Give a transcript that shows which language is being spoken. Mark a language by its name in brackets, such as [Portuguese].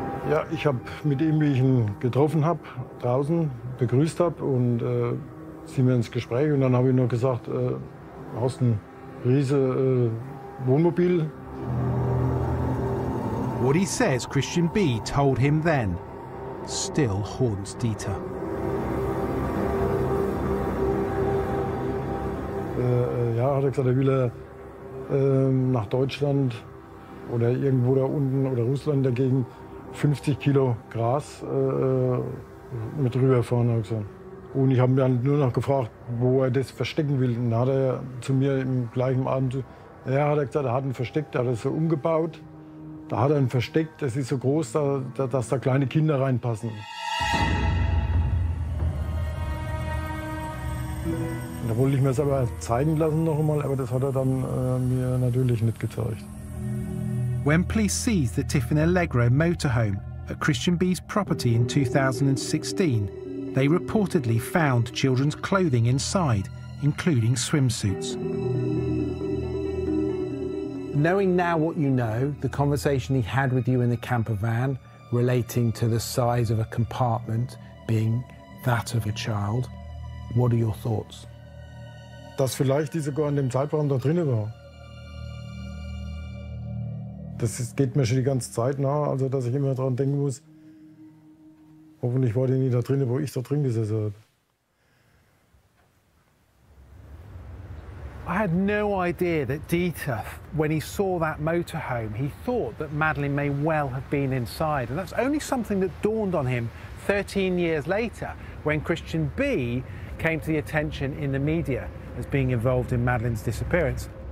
[German] Ja, ich habe mit ihm, wie ich ihn getroffen habe, draußen begrüßt habe und sind wir ins Gespräch und dann habe ich nur gesagt, hast ein riesen Wohnmobil. [English] What he says Christian B told him then still haunts Dieter. [German] Ja, hat er gesagt, er will nach Deutschland oder irgendwo da unten oder Russland dagegen. 50 Kilo Gras mit rüberfahren, habe ich gesagt. Und ich habe mir dann nur noch gefragt, wo er das verstecken will. Und dann hat er zu mir im gleichen Abend, ja, hat er gesagt, er hat ihn versteckt, er hat es so umgebaut. Da hat er ihn versteckt, es ist so groß, dass da kleine Kinder reinpassen. Da wollte ich mir das aber zeigen lassen noch einmal, aber das hat dann mir natürlich nicht gezeigt. [English] When police seized the Tiffin Allegro motorhome at Christian B's property in 2016, they reportedly found children's clothing inside, including swimsuits. Knowing now what you know, the conversation he had with you in the camper van relating to the size of a compartment being that of a child, what are your thoughts? [German] Dass vielleicht die sogar in dem Zeitraum da drinnen war. Das ist, geht mir schon die ganze Zeit nahe, also dass ich immer daran denken muss, hoffentlich war die nicht da drinnen, wo ich da drin gesessen habe. [English] I had no idea that Dieter, when he saw that motorhome, he thought that Madeleine may well have been inside. And that's only something that dawned on him 13 years later, when Christian B came to the attention in the media as being involved in Madeleine's disappearance.